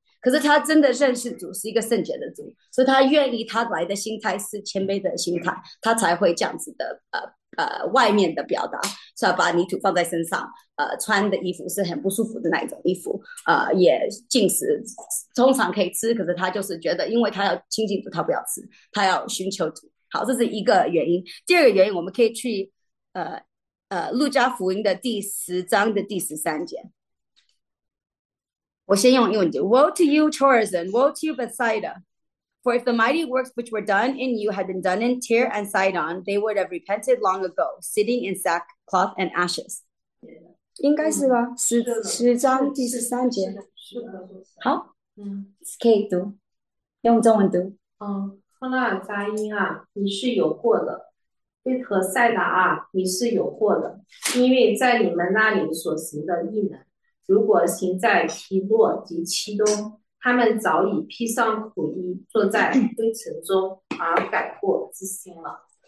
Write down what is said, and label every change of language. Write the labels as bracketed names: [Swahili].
[Chinese] 可是他真的认识主是一个圣洁的主，所以他愿意，他来的心态是谦卑的心态，他才会这样子的外面的表达，是把泥土放在身上，穿的衣服是很不舒服的那一种衣服，也进食，通常可以吃，可是他就是觉得因为他要亲近主，他不要吃，他要寻求主。好，这是一个原因。第二个原因，我们可以去路加福音的第十章的第十三节。我先用英文读， [English] Woe to you, Chorazin, woe to you, Bethsaida. For if the mighty works which were done in you had been done in Tyre and Sidon, they would have repented long ago, sitting in sackcloth and ashes. [Chinese] 应该是吧，十章第十三节。好，可以读，用中文读。赫拉尔扎因啊，你是有祸的。贝特赛达啊，你是有祸的。因为在你们那里所行的异能，如果行在提洛及其东，他们早已披上苦衣，坐在灰尘中而改过自新了。